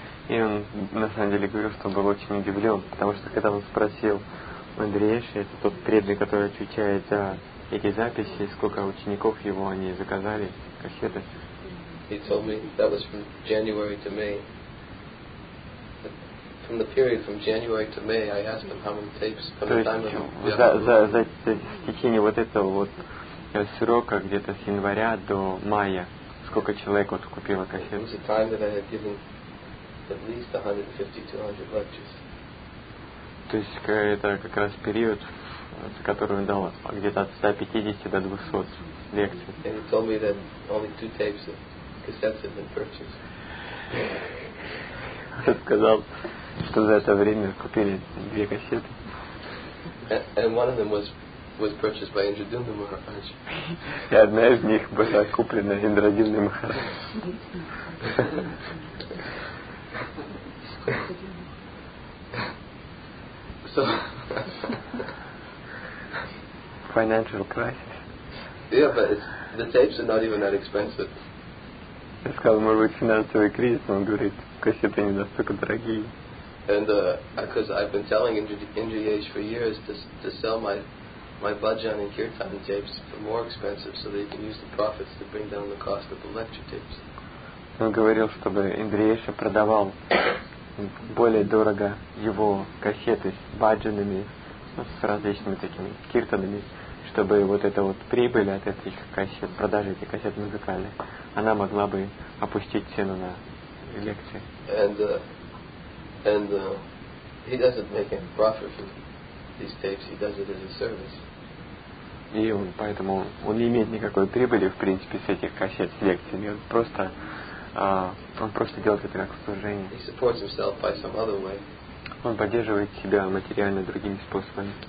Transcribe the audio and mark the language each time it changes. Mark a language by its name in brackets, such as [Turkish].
[Russian] И он на самом деле говорил, что был очень удивлен, потому что когда он спросил Андрееша, это тот преданный, который отвечает за эти записи, сколько учеников его они заказали, кассеты. [English] He told me that was from January to May. From the period from January to May, I asked him how many tapes, from the time of... [Russian] За течение вот этого вот срока, где-то с января до мая, сколько человек вот купило кассеты. [English] It was a time that I had given at least 150-200 lectures. [Russian] То есть это как раз период, за который он дал где-то от 150 до 200 лекций. [English] And he told me that only two tapes of cassettes had been purchased. [Russian] Он сказал, что за это время купили две кассеты. [English] And one of them was purchased by Indradyumna Maharaj. [Russian] И одна из них была куплена Индрадюмной Махарадж. [English] So financial crisis. Yeah, but the tapes are not even that expensive. [Russian] Я сказал, может быть, финансовый кризис, он говорит, кассеты не настолько дорогие. [English] And because I've been telling Indriyesh for years to sell my bhajan and kirtan tapes for more expensive so that he can use the profits to bring down the cost of the lecture tapes. [Russian] Он говорил, чтобы Индриеша продавал более дорого его кассеты с баджанами, ну, с различными такими киртанами, чтобы вот эта вот прибыль от этих кассет, продажи этих кассет музыкальных, она могла бы опустить цену на лекции. [English] And he doesn't make any profit from these tapes, he does it as a service. [Russian] И он, поэтому он не имеет никакой прибыли, в принципе, с этих кассет с лекциями, он просто... Он просто делает это как служение. [English] He supports himself by some other way. [Russian] Он поддерживает себя материально другими способами.